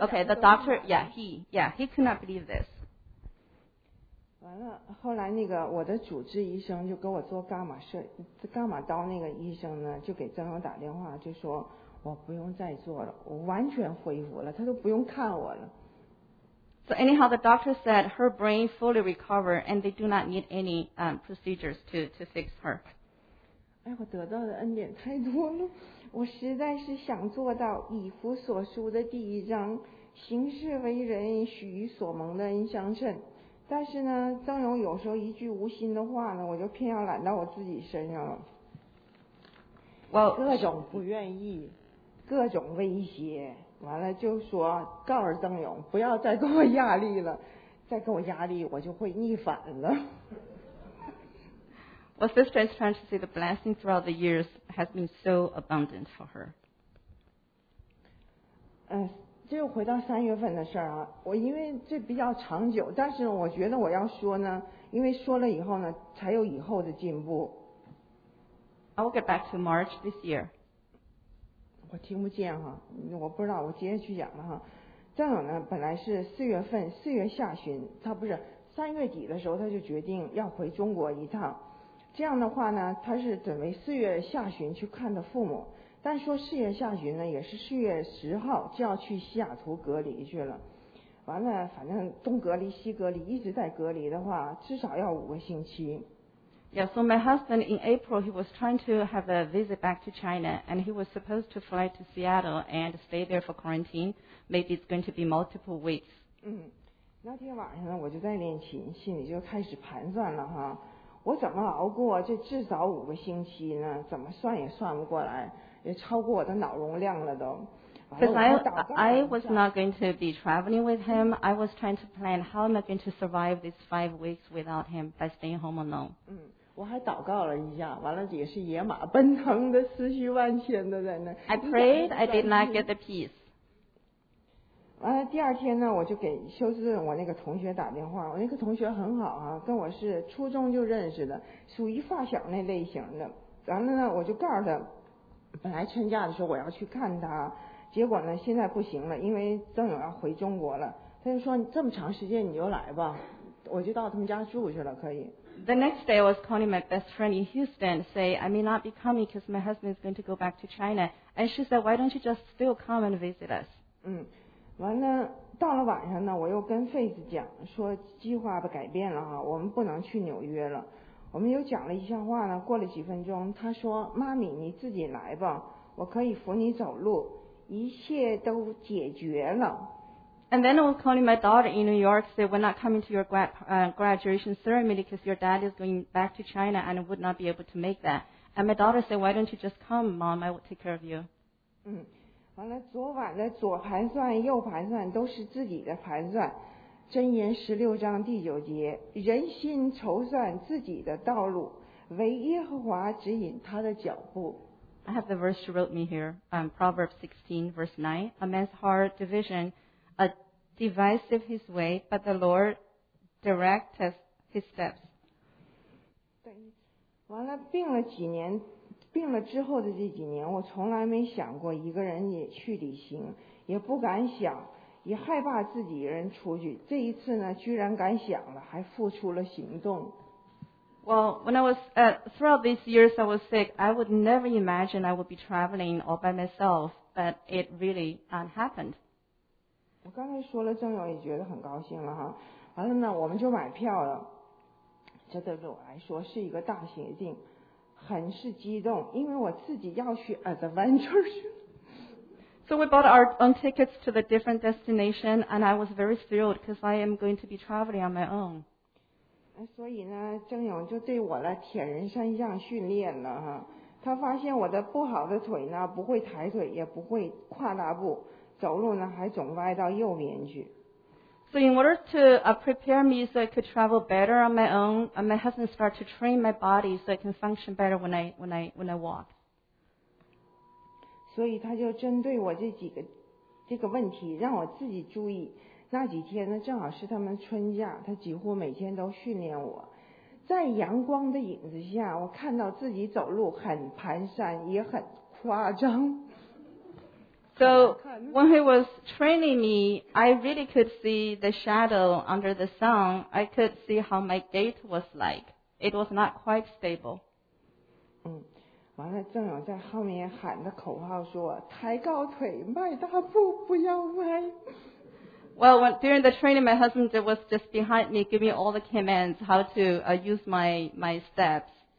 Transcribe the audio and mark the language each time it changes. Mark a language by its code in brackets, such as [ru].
[en] Okay, the doctor, he could not believe this. [zh] 完了，后来那个我的主治医生就给我做伽马刀那个医生呢，就给郑勇打电话，就说我不用再做了，我完全恢复了，他都不用看我了。 [en] So anyhow, the doctor said her brain fully recovered and they do not need any procedures to fix her. [zh] 哎，我得到的恩典太多了。我实在是想做到以弗所书的第一章，行事为人许与所蒙的恩相称。但是呢，郑勇有时候一句无心的话呢，我就偏要揽到我自己身上了。 [en] Well, [zh] 各种不愿意，各种威胁，完了就说告诉郑勇不要再给我压力了，再给我压力我就会逆反了。 [en] But sister is trying to say the blessing throughout the years has been so abundant for her. [zh] 这又回到三月份的事儿啊。我因为这比较长久，但是我觉得我要说呢，因为说了以后呢，才有以后的进步。 [en] I will get back to March this year. [zh] 我听不见哈，我不知道，我接着去讲了哈。再有呢，本来是四月下旬，他不是三月底的时候他就决定要回中国一趟。这样的话呢，他是准备四月下旬去看的父母，但说四月下旬呢，也是四月十号就要去西雅图隔离去了。完了，反正东隔离西隔离，一直在隔离的话，至少要5个星期。 [en] Yeah, so my husband in April he was trying to have a visit back to China, and he was supposed to fly to Seattle and stay there for quarantine. Maybe it's going to be multiple weeks. [zh] 那天晚上呢，我就在练琴，心里就开始盘算了哈。我怎么熬过这至少5个星期呢？怎么算也算不过来，也超过我的脑容量了都。 [en] Because I was not going to be traveling with him. I was trying to plan how am I going to survive these 5 weeks without him by staying home alone. [zh] 我还祷告了一下，完了也是野马奔腾的，思绪万千的在那。 [en] I prayed, I did not get the peace. [zh] 完了第二天呢，我就给休斯顿我那个同学打电话。我那个同学很好啊，跟我是初中就认识的，属于发小那类型的。完了呢，我就告诉他，本来春假的时候我要去看他，结果呢现在不行了，因为郑勇要回中国了。他就说这么长时间你就来吧，我就到他们家住去了，可以。 [en] The next day, I was calling my best friend in Houston, say, I may not be coming because my husband is going to go back to China. And she said, why don't you just still come and visit us? [zh] 完了，到了晚上呢，我又跟 Faith 讲，说计划不改变了哈，我们不能去纽约了。我们又讲了一下话呢，过了几分钟，他说，妈咪，你自己来吧，我可以扶你走路，一切都解决了。 [en] And then I was calling my daughter in New York, said, we're not coming to your graduation ceremony because your dad is going back to China and would not be able to make that. And my daughter said, why don't you just come, Mom? I will take care of you. [zh] 完了，昨晚的左盘算、右盘算都是自己的盘算。箴言十六章第九节，人心筹算自己的道路，唯耶和华指引他的脚步。 [en] I have the verse she wrote me here, Proverbs 16, verse 9. A man's heart division, a divisive his way, but the Lord directs his steps. [zh] 完了，病了几年。病了之后的这几年，我从来没想过一个人也去旅行，也不敢想，也害怕自己一人出去。这一次呢，居然敢想了，还付出了行动。 [en] Well, when I was throughout these years I was sick, I would never imagine I would be traveling all by myself, but it really happened. [zh] 我刚才说了，郑勇也觉得很高兴了哈。完了呢，我们就买票了。这对我来说是一个大喜讯。很是激动，因为我自己要去 adventures。 [en] So we bought our own tickets to the different destination, and I was very thrilled because I am going to be traveling on my own. [zh] 所以呢，郑勇就对我了铁人三项训练了哈。他发现我的不好的腿呢，不会抬腿，也不会跨大步，走路呢还总歪到右边去。 [en] So in order to prepare me so I could travel better on my own, my husband started to train my body so I can function better when I walk. [zh] 所以他就针对我这几个这个问题让我自己注意。那几天呢正好是他们春假，他几乎每天都训练我。在阳光的影子下，我看到自己走路很蹒跚，也很夸张。 [en] So when he was training me, I really could see the shadow under the sun. I could see how my gait was like. It was not quite stable. [zh] 完了，郑勇在后面喊的口号说，抬高腿，迈大步，不要歪。 [en] Well, when, during the training, my husband was just behind me, giving me all the commands how to use my steps.